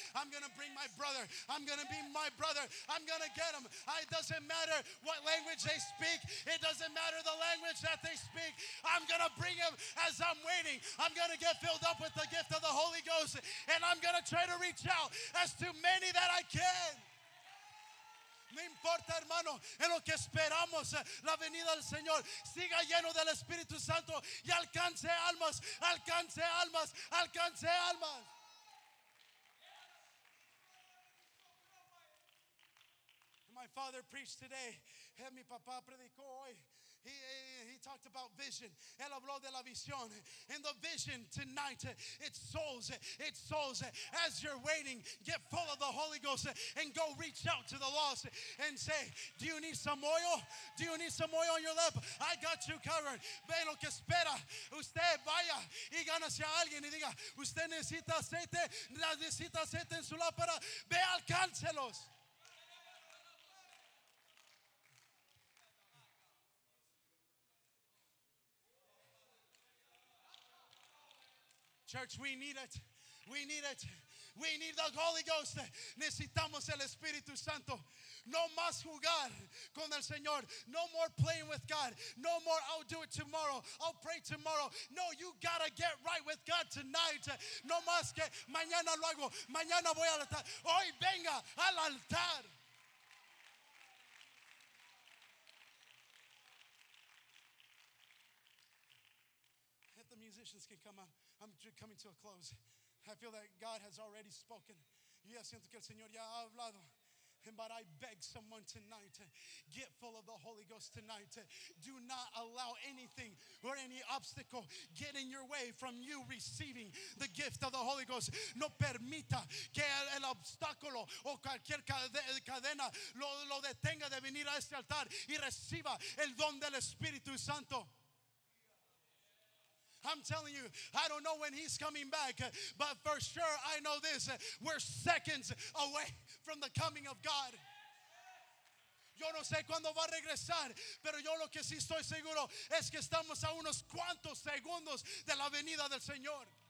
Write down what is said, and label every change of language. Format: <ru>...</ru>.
<en>I'm gonna bring my brother. I'm gonna be my brother. I'm gonna get him. It doesn't matter what language they speak. It doesn't matter the language that they speak. I'm going to bring him as I'm waiting. I'm going to get filled up with the gift of the Holy Ghost, and I'm going to try to reach out as to many that I can.</en> <es>No importa, hermano, en lo que esperamos la venida del Señor. Siga lleno del Espíritu Santo y alcance almas, alcance almas, alcance almas.</es> <en>My father preached today.</en> <es>Mi papá predicó hoy.</es> <en>He talked about vision.</en> <es>Él habló de la visión.</es> <en>And the vision tonight, it's souls. It's souls. As you're waiting, get full of the Holy Ghost and go reach out to the lost and say, do you need some oil? Do you need some oil on your lip? I got you covered.</en> <es>Ve lo que espera. Usted vaya y gana hacia alguien y diga, usted necesita aceite. Necesita aceite en su lámpara. Ve, alcáncelos.</es> <en>Church, we need it. We need it. We need the Holy Ghost.</en> <es>Necesitamos el Espíritu Santo. No más jugar con el Señor.</es> <en>No more playing with God. No more, I'll do it tomorrow. I'll pray tomorrow. No, you gotta get right with God tonight.</en> <es>No más que mañana luego. Mañana voy al altar. Hoy venga al altar.</es> <en>If the musicians can come on, I'm coming to a close. I feel that God has already spoken.</en> <es>Yo siento que el Señor ya ha hablado.</es> <en>But I beg someone tonight, get full of the Holy Ghost tonight. Do not allow anything or any obstacle get in your way from you receiving the gift of the Holy Ghost.</en> <es>No permita que el obstáculo o cualquier cadena lo detenga de venir a este altar y reciba el don del Espíritu Santo.</es> <en>I'm telling you, I don't know when he's coming back, but for sure I know this, we're seconds away from the coming of God.</en> <es>Yo no sé cuándo va a regresar, pero yo lo que sí estoy seguro es que estamos a unos cuantos segundos de la venida del Señor.</es>